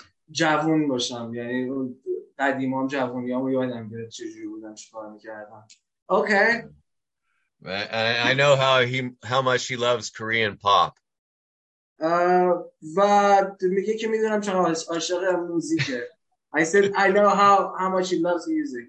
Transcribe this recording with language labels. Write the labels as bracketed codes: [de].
[fa] جوون باشم، یعنی اون قدیمام جوونیامو یادم میاد چجوری بودم چیکار میکردم. اوکی. [en] I know how much he loves Korean pop. [fa] و میگه که میدونم چقدر عاشق موزیکه. [en] I said I know how much he loves music.